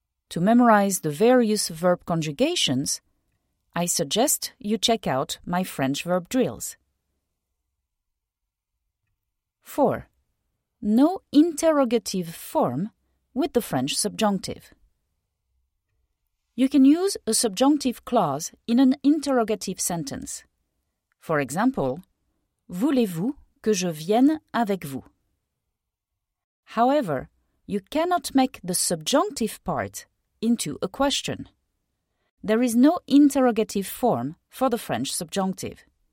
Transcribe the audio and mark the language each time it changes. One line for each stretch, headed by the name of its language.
English: To memorize the various verb conjugations, I suggest you check out my French verb drills. 4. No interrogative form with the French subjunctive. You can use a subjunctive clause in an interrogative sentence. For example,
French: voulez-vous que je vienne avec vous?
English: However, you cannot make the subjunctive part into a question. There is no interrogative form for the French subjunctive.